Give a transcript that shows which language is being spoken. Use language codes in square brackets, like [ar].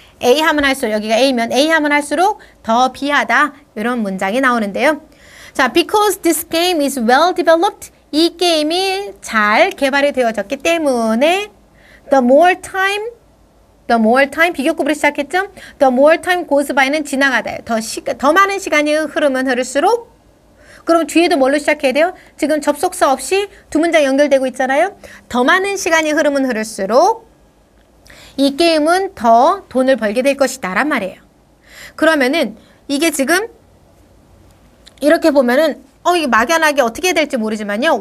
[ko] A 하면 할수록 여기가 A면 A 하면 할수록 더 비하다 이런 문장이 나오는데요. 자, [en] because this game is well developed [ko] 이 게임이 잘 개발이 되어졌기 때문에 [en] the more time [ko] 비교급으로 시작했죠. [en] The more time goes by [ko] 는 지나가다. 더 많은 시간이 흐르면 흐를수록 그럼 뒤에도 뭘로 시작해야 돼요? 지금 접속사 없이 두 문장 연결되고 있잖아요. 더 많은 시간이 흐르면 흐를수록 이 게임은 더 돈을 벌게 될 것이다 란 말이에요. 그러면은 이게 지금 이렇게 보면은 이게 막연하게 어떻게 해야 될지 모르지만요.